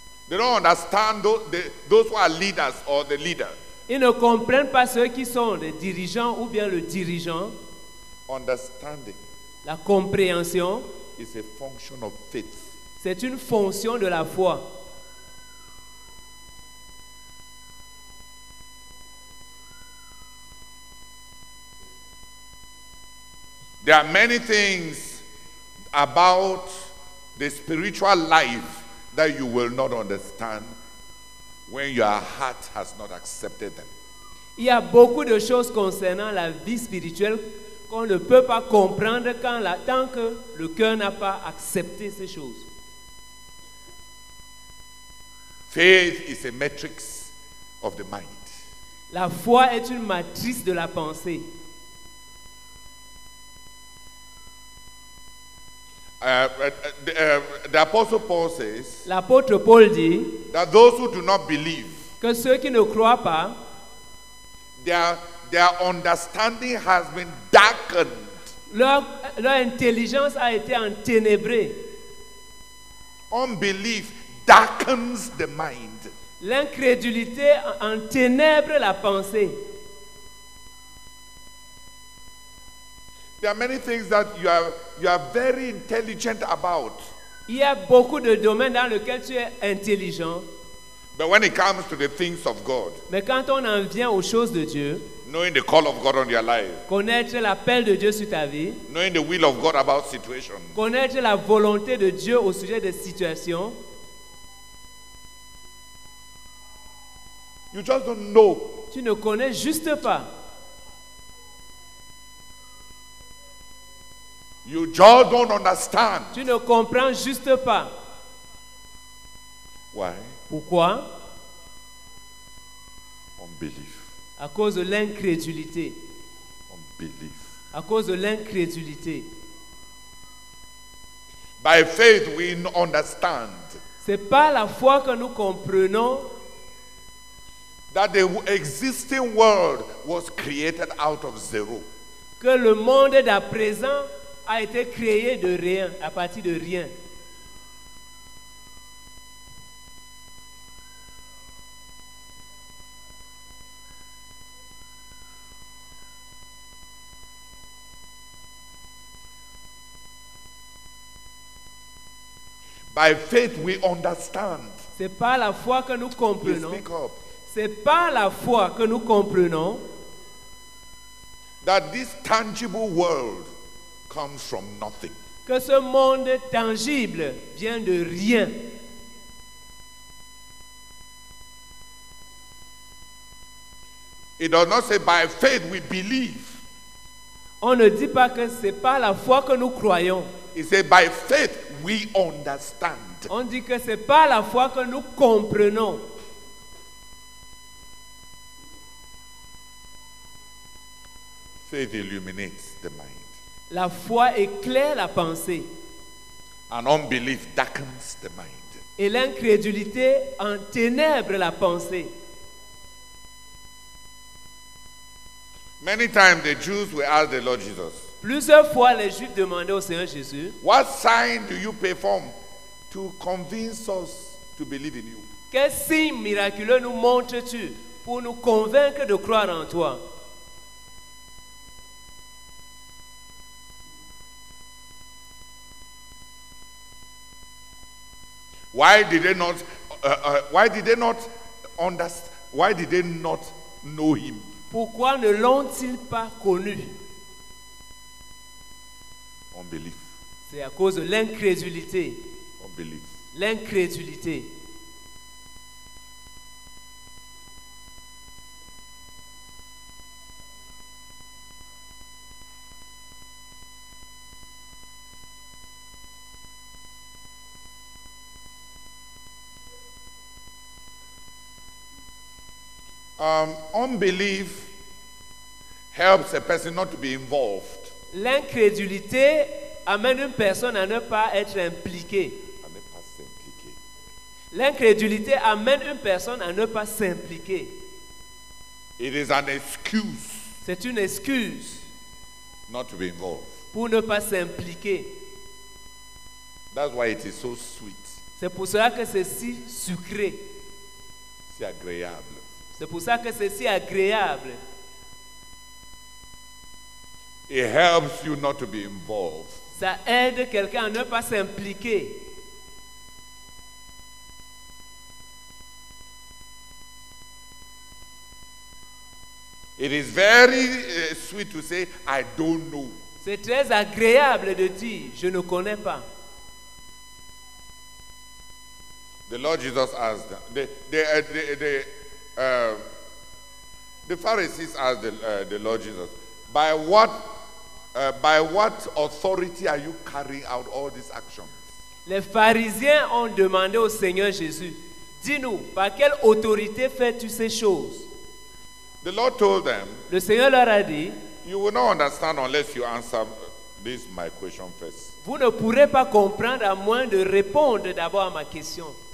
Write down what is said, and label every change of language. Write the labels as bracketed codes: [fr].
[en] They don't understand those who are leaders or the leader. [fr] Ils ne comprennent pas ceux qui sont les dirigeants ou bien le dirigeant. [en] Understanding. [fr] La compréhension. [en] Is a function of faith. [fr] C'est une fonction de la foi. [en] There are many things about the spiritual life that you will not understand when your heart has not accepted them. [fr] Il y a beaucoup de choses concernant la vie spirituelle qu'on ne peut pas comprendre tant que le cœur n'a pas accepté ces choses. [en] Faith is a matrix of the mind. [fr] La foi est une matrice de la pensée. [en] The Apostle Paul says, [fr] l'apôtre Paul dit, [en] that those who do not believe, [fr] que ceux qui ne croient pas, [en] their understanding has been darkened. [fr] Leur intelligence a été enténébrée. [en] Unbelief darkens the mind. [fr] L'incrédulité enténèbre la pensée. [en] There are many things that you are very intelligent about. [fr] Il y a beaucoup de domaines dans lesquels tu es intelligent. [en] But when it comes to the things of God, [fr] mais quand on en vient aux choses de Dieu, [en] knowing the call of God on your life, [fr] connaître l'appel de Dieu sur ta vie, [en] knowing the will of God about situations, [fr] connaître la volonté de Dieu au sujet des situations, [en] you just don't know. [fr] Tu ne connais juste pas. [en] You just don't understand. [fr] Tu ne comprends juste pas. [en] Why? [fr] Pourquoi? [en] Unbelief. [fr] À cause de l'incrédulité. [en] Unbelief. [fr] À cause de l'incrédulité. [en] By faith we understand. [fr] C'est par la foi que nous comprenons [en] that the existing world was created out of zero. [fr] Que le monde d'à présent a été créé de rien, à partir de rien. [en] By faith we understand. [fr] C'est par la foi que nous comprenons. [en] Please speak up. [fr] C'est par la foi que nous comprenons [en] that this tangible world comes from nothing. [fr] Que ce monde tangible vient de rien. [en] It does not say by faith we believe. [fr] On ne dit pas que c'est par la foi que nous croyons. [en] It says by faith we understand. [fr] On dit que c'est par la foi que nous comprenons. [en] Faith illuminates the mind. [fr] La foi éclaire la pensée. [en] And unbelief darkens the mind. [fr] Et l'incrédulité enténèbre la pensée. [en] Many times the Jews were asked the Lord Jesus. [fr] Plusieurs fois les Juifs demandaient au Seigneur Jésus. [en] What sign do you perform to convince us to believe in you? [fr] Quel signe miraculeux nous montres-tu pour nous convaincre de croire en toi? [en] Why did they not understand? Why did they not know him? [fr] Pourquoi ne l'ont-ils pas connu? [en] Unbelief. [fr] C'est à cause de l'incrédulité. [en] Unbelief. [fr] L'incrédulité. [en] Unbelief helps a person not to be involved. [fr] L'incrédulité amène une personne à ne pas être impliquée. À ne pas s'impliquer. L'incrédulité amène une personne à ne pas s'impliquer. [en] It is an excuse. [fr] C'est une excuse. [en] Not to be involved. [fr] Pour ne pas s'impliquer. [en] That's why it is so sweet. [fr] C'est pour cela que c'est si sucré. Si agréable. C'est pour ça que c'est si agréable. [en] It helps you not to be involved. [fr] Ça aide quelqu'un à ne pas s'impliquer. [en] It is very sweet to say, I don't know. [fr] C'est très agréable de dire, je ne connais pas. [en] The Lord Jesus asked them, the Pharisees asked the Lord Jesus, by what authority are you carrying out all these actions? [fr] Les pharisiens ont demandé au Seigneur Jésus, dis-nous, par quelle autorité fais-tu ces choses? [en] The Lord told them, [fr] le Seigneur leur a dit, [en] you will not understand unless you answer this my question first. [fr] Vous ne pourrez pas comprendre à moins de répondre d'abord à ma question.